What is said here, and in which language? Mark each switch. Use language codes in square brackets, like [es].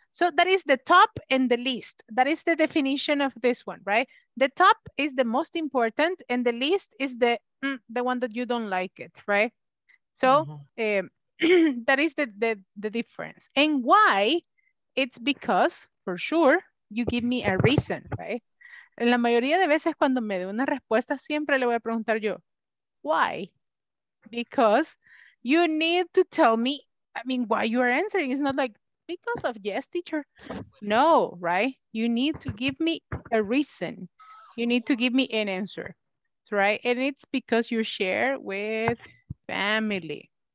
[en] So that is the top and the least. That is the definition of this one, right? The top is the most important and the least is the one that you don't like it, right? So that is the difference. And why? It's because, for sure, you give me a reason, right? [es] En la mayoría de veces cuando me dé una respuesta, siempre le voy a preguntar yo, [en] why? Because you need to tell me, I mean, why you are answering. It's not like, because of yes, teacher. No, right? You need to give me a reason. You need to give me an answer, right? And it's because you share with family.